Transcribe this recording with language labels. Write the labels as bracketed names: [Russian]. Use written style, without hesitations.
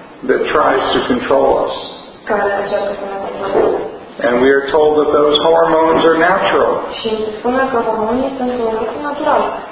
[English] That tries to control us. [Romanian] Care încearcă să ne controleze. [English] And we are told that those hormones are natural. [Romanian] Și se spune că hormonii sunt un lucru natural.